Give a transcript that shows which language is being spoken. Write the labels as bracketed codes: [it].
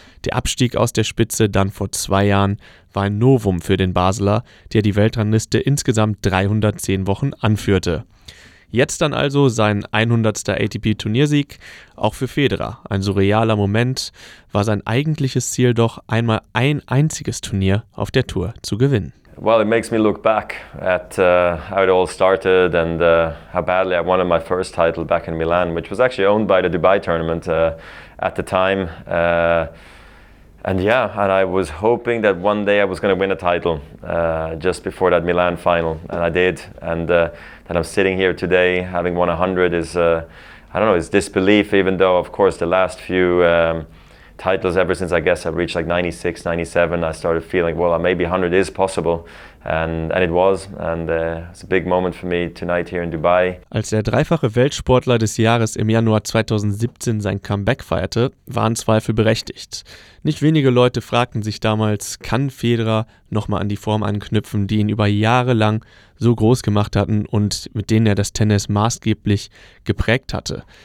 [de] Der Abstieg aus der Spitze dann vor 2 Jahren war ein Novum für den Basler, der die Weltrangliste insgesamt 310 Wochen anführte. Jetzt dann also sein 100. ATP-Turniersieg, auch für Federer ein surrealer Moment, war sein eigentliches Ziel doch einmal ein einziges Turnier auf der Tour zu gewinnen. [en] Well, it makes me look back at how it all started and how badly I wanted my first title back in Milan, which was actually owned by the Dubai Tournament at the time. And I was hoping that one day I was going to win a title just before that Milan final, and I did. And I'm sitting here today having won 100 is disbelief, even though, of course, the last few titles ever since, I guess, I've reached like 96, 97, I started feeling, well, maybe 100 is possible. And it was, and it's a big moment for me tonight here in Dubai. [de] Als der dreifache Weltsportler des Jahres im Januar 2017 sein Comeback feierte, waren Zweifel berechtigt. Nicht wenige Leute fragten sich damals, kann Federer nochmal an die Form anknüpfen, die ihn über Jahre lang so groß gemacht hatten und mit denen er das Tennis maßgeblich geprägt hatte.